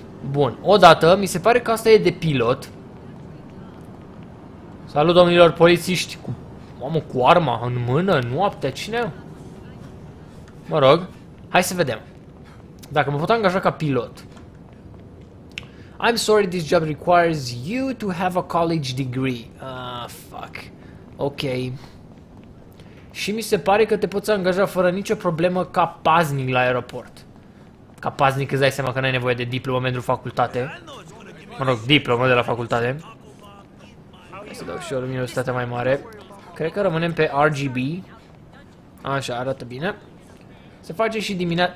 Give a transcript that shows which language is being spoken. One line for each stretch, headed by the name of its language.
Romanian: Bun, odată, mi se pare că asta e de pilot. Salut, domnilor polițiști. Mamă, cu arma în mână, noaptea, cine? Mă rog, hai să vedem. Dacă mă pot angaja ca pilot.
English: I'm sorry, this job requires you to have a college degree. Ah, fuck. Ok.
Romanian: Și mi se pare că te poți angaja fără nicio problemă ca paznic la aeroport. Ca paznic îți dai seama că n-ai nevoie de diplomă pentru facultate. Mă rog, diplomă de la facultate. Hai să dau și o luminositate mai mare. Cred că rămânem pe RGB. Așa, arată bine. Se face și dimineața.